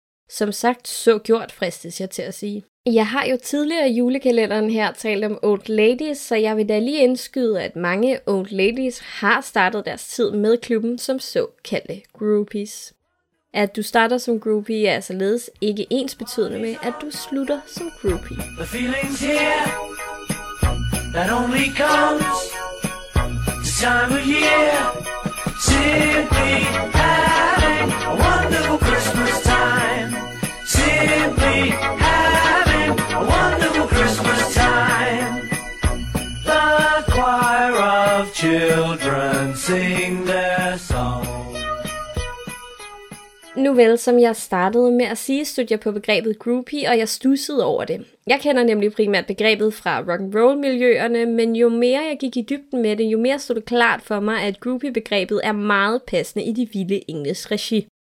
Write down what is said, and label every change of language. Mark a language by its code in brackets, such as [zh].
[da] Som sagt, så gjort fristes jeg til at sige. Jeg har jo tidligere i julekalenderen her talt om old ladies, så jeg vil da lige indskyde, at mange old ladies har startet deres tid med klubben som såkaldte groupies. At du starter som groupie er således ikke ens betydende med, at du slutter som groupie. [en] The feeling's here, that only comes, the time of year, simply having a wonderful Christmas time, simply having a wonderful Christmas time. The choir of children sing their song. [da] Nuvel, som jeg startede med at sige, stødte jeg på begrebet groupie, og jeg stussede over det. Jeg kender nemlig primært begrebet fra rock'n'roll-miljøerne, men jo mere jeg gik i dybden med det, jo mere stod det klart for mig, at groupie-begrebet er meget passende i de vilde engles regi.